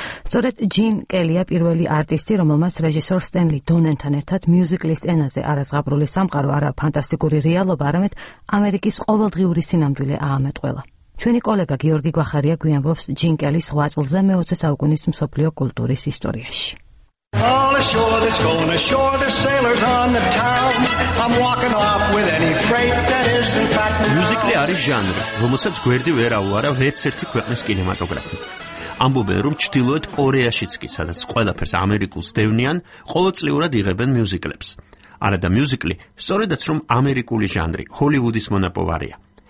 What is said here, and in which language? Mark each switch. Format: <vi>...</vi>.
<ka>სწორედ ჯინ კელია პირველი არტისტი, რომელმაც რეჟისორ სტენლი დონენთან ერთად მიუზიკლის სცენაზე არაზღაპრული სამყარო, არა ფანტასტიკური რეალობა, არამედ ამერიკის ყოველდღიური სინამდვილე აამეტყველა. ჩვენი კოლეგა გიორგი გვახარია გვიამბობს ჯინ კელის ღვაწლზე მეოცე საუკუნის მსოფლიო კულტურის ისტორიაში.</ka> <en>All ashore that's going ashore, there's sailors on the town. I'm walking off with any freight that is in fact now.</en> <ka>Musical არის ჟანრი, რომელსაც გვერდი ვერ აუარავ ერთ ერთი ქვეყნის კინემატოგრაფი. ამბობენ, რომ ჩრდილოეთ კორეაშიც კი, სადაც ყველაფერს ამერიკულს დევნიან, ყოველწლიურად იღებენ მიუზიკლებს. არადა მიუზიკლი, სწორედაც რომ ამერიკული ჟანრი, ჰოლივუდის მონაპოვარია.</ka>